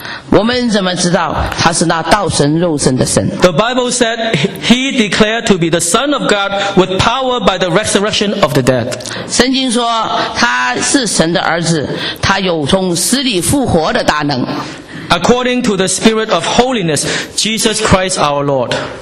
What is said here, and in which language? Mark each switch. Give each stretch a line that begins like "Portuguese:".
Chinese: 我们怎么知道他是那道神肉身的神？
English: The Bible said he declared to be the Son of God with power by the resurrection of the dead.
Chinese: 圣经说他是神的儿子，他有从死里复活的大能。
English: According to the spirit of holiness, Jesus Christ our Lord.